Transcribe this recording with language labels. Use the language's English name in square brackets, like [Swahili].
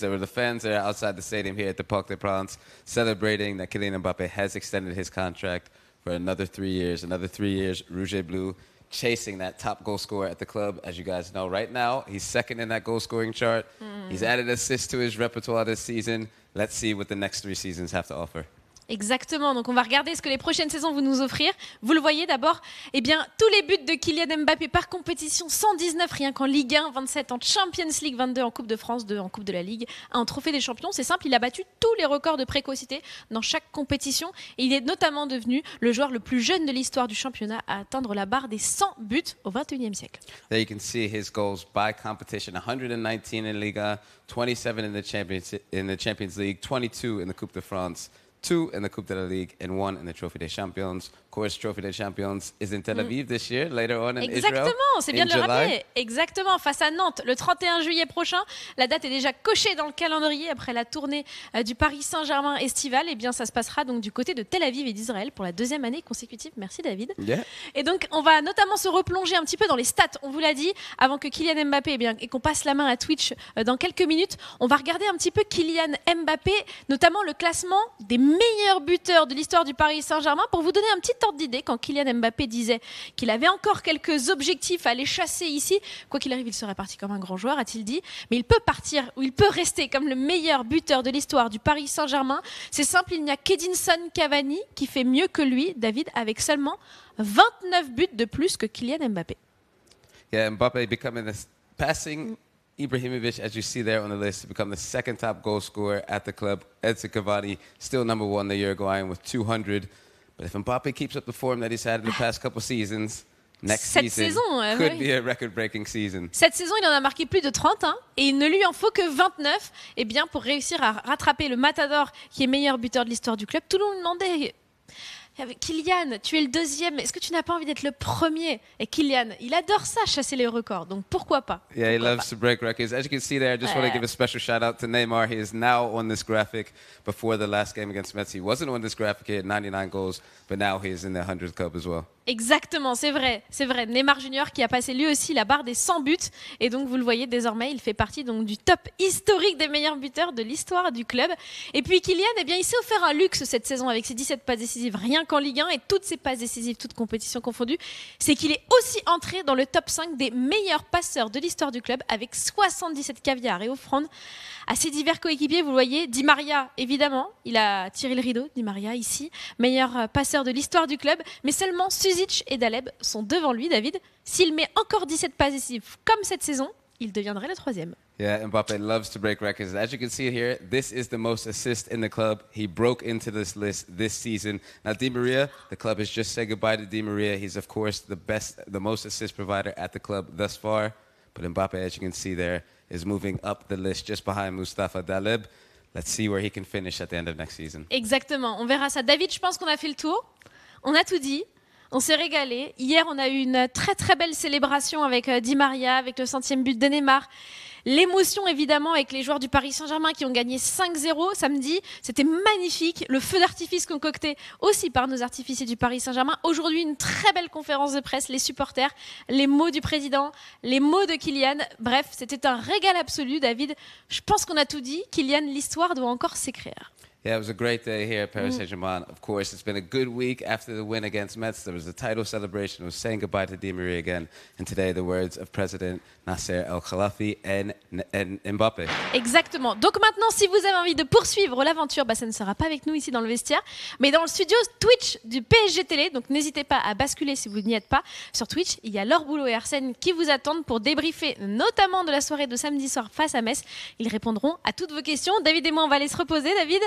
[English] There were the fans there outside the stadium here at the Parc des Princes celebrating that Kylian Mbappé has extended his contract for another 3 years, Rouge et Bleu chasing that top goal scorer at the club. As you guys know, right now, he's second in that goal scoring chart. Mm. He's added assists to his repertoire this season. Let's see what the next 3 seasons have to offer. [French] Exactement, donc on va regarder ce que les prochaines saisons vont nous offrir. Vous le voyez d'abord, eh bien, tous les buts de Kylian Mbappé par compétition, 119 rien qu'en Ligue 1, 27 en Champions League, 22 en Coupe de France, 2 en Coupe de la Ligue, 1 en Trophée des Champions. C'est simple, il a battu tous les records de précocité dans chaque compétition. Et il est notamment devenu le joueur le plus jeune de l'histoire du championnat à atteindre la barre des 100 buts au 21e siècle. [English] There you can see his goals by competition, 119 in Liga, 27 in the Champions League, 22 in the Coupe de France. 2 in the Coupe de la Ligue and 1 in the Trophy des Champions. Of course, Trophy des Champions is in Tel Aviv this year, later on in [French] Exactement, [English] Israel. [French] Exactement, c'est bien de le rappeler. Exactement, face à Nantes, le 31 juillet prochain. La date est déjà cochée dans le calendrier après la tournée du Paris Saint-Germain estivale. Eh bien, ça se passera donc du côté de Tel Aviv et d'Israël pour la deuxième année consécutive. Merci David. [English] Yeah. [French] Et donc, on va notamment se replonger un petit peu dans les stats, on vous l'a dit, avant que Kylian Mbappé, eh bien, et qu'on passe la main à Twitch dans quelques minutes, on va regarder un petit peu Kylian Mbappé, notamment le classement des meilleurs buteurs de l'histoire du Paris Saint-Germain, pour vous donner un petit ordre d'idée. Quand Kylian Mbappé disait qu'il avait encore quelques objectifs à aller chasser ici, quoi qu'il arrive, il serait parti comme un grand joueur, a-t-il dit, mais il peut partir ou il peut rester comme le meilleur buteur de l'histoire du Paris Saint-Germain. C'est simple, il n'y a qu'Edinson Cavani qui fait mieux que lui, David, avec seulement 29 buts de plus que Kylian Mbappé. [English] Yeah, Mbappé becoming this passing Ibrahimovic, as you see there on the list, to become the second top goal scorer at the club. Edinson Cavani, still number one the Uruguayan with 200. But if Mbappé keeps up the form that he's had in the past couple seasons, next [French] Cette [English] season [French] saison, [English] could [French] oui. [English] be a record-breaking season. [French] Cette saison, il en a marqué plus de 30, hein, et il ne lui en faut que 29, eh bien, pour réussir à rattraper le Matador, qui est meilleur buteur de l'histoire du club. Tout le monde demandait... Kylian, tu es le deuxième. Est-ce que tu n'as pas envie d'être le premier? Et Kylian, il adore ça, chasser les records. Donc pourquoi pas? [English] Yeah, he loves to break records. As you can see there, I just want to give a special shout out to Neymar. He is now on this graphic. Before the last game against Messi, he wasn't on this graphic. He had 99 goals, but now he is in the 100th club as well. [French] Exactement, c'est vrai, c'est vrai. Neymar Junior qui a passé lui aussi la barre des 100 buts. Et donc, vous le voyez désormais, il fait partie donc, du top historique des meilleurs buteurs de l'histoire du club. Et puis Kylian, eh bien, il s'est offert un luxe cette saison avec ses 17 passes décisives rien qu'en Ligue 1 et toutes ses passes décisives, toutes compétitions confondues. C'est qu'il est aussi entré dans le top 5 des meilleurs passeurs de l'histoire du club avec 77 caviar et offrandes à ses divers coéquipiers. Vous le voyez, Di Maria, évidemment, il a tiré le rideau, Di Maria, ici, meilleur passeur de l'histoire du club, mais seulement Susic et Daleb sont devant lui, David. S'il met encore 17 passes décisives comme cette saison, il deviendrait le troisième. [English] Yeah, Mbappé loves to break records. As you can see here, this is the most assist in the club. He broke into this list this season. Now, Di Maria, the club has just said goodbye to Di Maria. He's, of course, the best, the most assist provider at the club thus far. But Mbappé, as you can see there, is moving up the list just behind Mustafa Daleb. Let's see where he can finish at the end of next season. [French] Exactement, on verra ça. David, je pense qu'on a fait le tour. On a tout dit. On s'est régalé. Hier, on a eu une très très belle célébration avec Di Maria, avec le centième but de Neymar. L'émotion, évidemment, avec les joueurs du Paris Saint-Germain qui ont gagné 5-0 samedi. C'était magnifique. Le feu d'artifice concocté aussi par nos artificiers du Paris Saint-Germain. Aujourd'hui, une très belle conférence de presse. Les supporters, les mots du président, les mots de Kylian. Bref, c'était un régal absolu, David. Je pense qu'on a tout dit. Kylian, l'histoire doit encore s'écrire. [English] Yeah, it was a great day here at Paris Saint-Germain. Of course, it's been a good week after the win against Metz. There was a title celebration. It was saying goodbye to Di Maria again. And today, the words of President Nasser Al-Khelaifi and Mbappé. [French] Exactement. Donc maintenant, si vous avez envie de poursuivre l'aventure, bah, ça ne sera pas avec nous ici dans le vestiaire, mais dans le studio Twitch du PSG Télé. Donc n'hésitez pas à basculer si vous n'y êtes pas. Sur Twitch, il y a Laure Boulot et Arsène qui vous attendent pour débriefer notamment de la soirée de samedi soir face à Metz. Ils répondront à toutes vos questions. David et moi, on va aller se reposer, David.